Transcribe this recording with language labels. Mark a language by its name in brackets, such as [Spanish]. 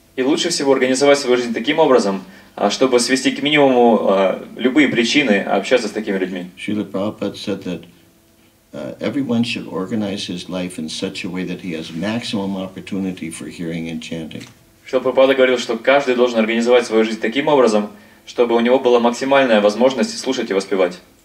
[Russian] И лучше всего организовать свою жизнь таким образом, чтобы свести к минимуму любые причины общаться с такими людьми. [English] Srila Prabhupada said that everyone should organize his life in such a way that he has maximum opportunity for hearing and chanting. [Russian] Srila Prabhupada говорил, что каждый должен организовать свою жизнь таким образом, чтобы у него была максимальная возможность слушать и воспевать.